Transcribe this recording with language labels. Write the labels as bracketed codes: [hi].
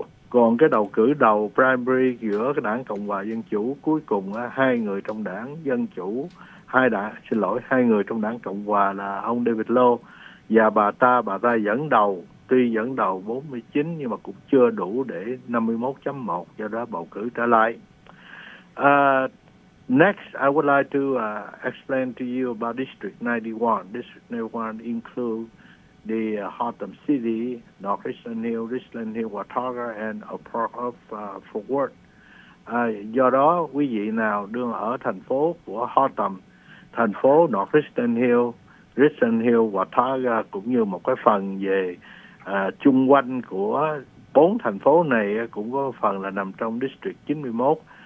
[vi] Còn cái đầu cử đầu primary giữa cái đảng Cộng hòa Dân chủ, cuối cùng hai người trong đảng Dân chủ, hai người trong đảng Cộng hòa là ông David Lowe và bà ta dẫn đầu, tuy dẫn đầu 49 nhưng mà cũng chưa đủ để 51.1, do đó bầu cử trở lại. [en] Next, I would like to explain to you about District 91. District 91 includes the Haltom City, North Richland Hill, Richland Hill, Watauga, and a part of Fort Worth. [vi] Do đó, quý vị nào đương ở thành phố của Haltom, thành phố North Richland Hill, Richland Hill, Watauga, cũng như một cái phần về chung quanh của bốn thành phố này cũng có phần là nằm trong District 91.